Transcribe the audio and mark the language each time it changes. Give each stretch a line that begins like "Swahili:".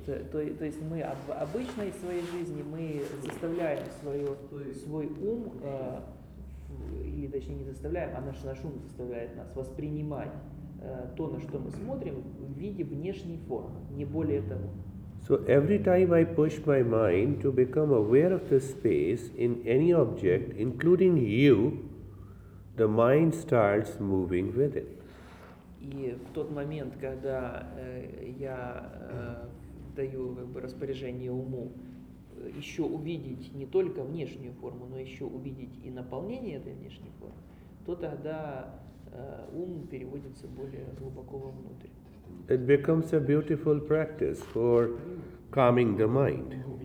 Russian: То есть мы в обычной своей жизни мы заставляем свой ум, или точнее не заставляем, а наш ум заставляет нас воспринимать то, на что мы смотрим, в виде внешней формы, не более того.
English: So every time I push my mind to become aware of the space in any object, including you, the mind starts moving with it.
Russian: И в тот момент, когда я даю как бы распоряжение уму еще увидеть не только внешнюю форму, но еще увидеть и наполнение этой внешней формы, то тогда ум переводится более глубоко вовнутрь.
English: It becomes a beautiful practice for calming the mind.